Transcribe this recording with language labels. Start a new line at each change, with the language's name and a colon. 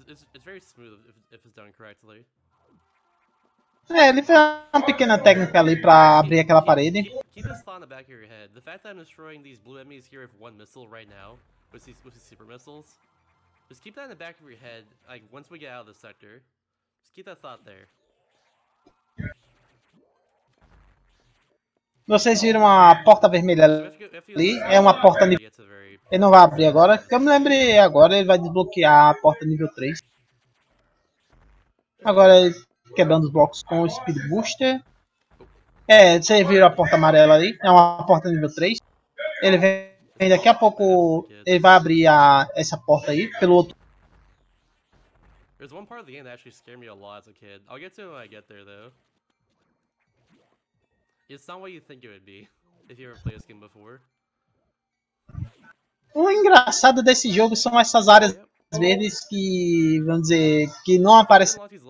English: It's very smooth if it's done correctly.
Portuguese: É, ele fez uma pequena técnica ali pra abrir aquela parede.
English: Keep this thought in the back of your head. The fact that I'm destroying these blue enemies here with one missile right now, with these super missiles, just keep that in the back of your head, like, once we get out of the sector. Just keep that thought there.
Portuguese: Vocês viram a porta vermelha ali? É uma porta nível. Ele não vai abrir agora. Que eu me lembre agora, ele vai desbloquear a porta nível 3. Agora ele quebrando os blocos com o Speed Booster. É, vocês viram a porta amarela ali? É uma porta nível 3. Ele vem daqui a pouco. Ele vai abrir essa porta aí pelo outro.
English: There's one part of the game that actually scared me a lot as a kid. I'll get to it when I get there though. It's not what you think it would be, if you ever played this game before.
Portuguese: O engraçado desse jogo são essas áreas verdes que, vamos dizer, que não aparecem.